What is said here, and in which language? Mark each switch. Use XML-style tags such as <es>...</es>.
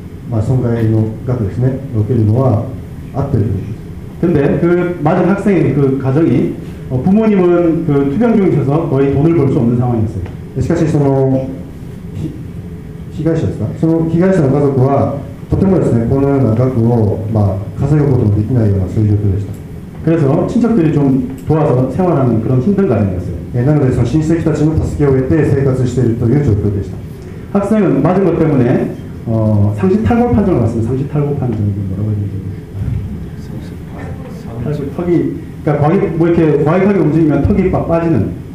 <ja>まあ損害の額ですね受けるのは合ってるんです。で、</ja> <ko>그 맞은 학생의 그 가정이 부모님은 그 투병 중이셔서 거의 돈을 벌 수 없는 상황이었어요.</ko> <ja>しかしその被害者ですか。その被害者の家族はとてもですねこのような額をまあ稼ぐこともできないような状況でした。</ja> <ko>그래서 친척들이 좀 도와서 생활하는 그런 힘든 가정이었어요.</ko> <ja>なのでその親戚たちの助けを得て生活しているという状況でした。</ja> <ko>학생은 맞은 것 때문에 상시탈골 판정을 받습니다. 상시탈골 판정이 뭐라고 해야 되지? 상시탈골 턱이, 그러니까 과기, 뭐 이렇게 과격하게 움직이면 턱이 빠지는</ko>